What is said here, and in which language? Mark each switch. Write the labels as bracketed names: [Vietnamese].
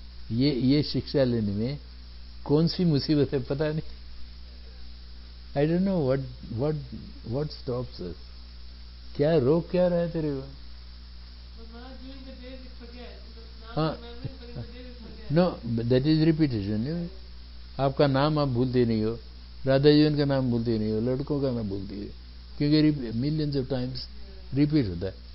[Hindi] ये शिक्षा लेने में कौन सी मुसीबत है पता नहीं. [English] I don't know what stops us. [Hindi] क्या रोक क्या रहा है तेरे को. [English] No, that is repetition. [Hindi] आपका नाम आप भूलते नहीं हो, राधा जीवन का नाम भूलते नहीं हो, लड़कों का नाम भूलते हो, क्योंकि [English] millions of times [Hindi] repeat होता है.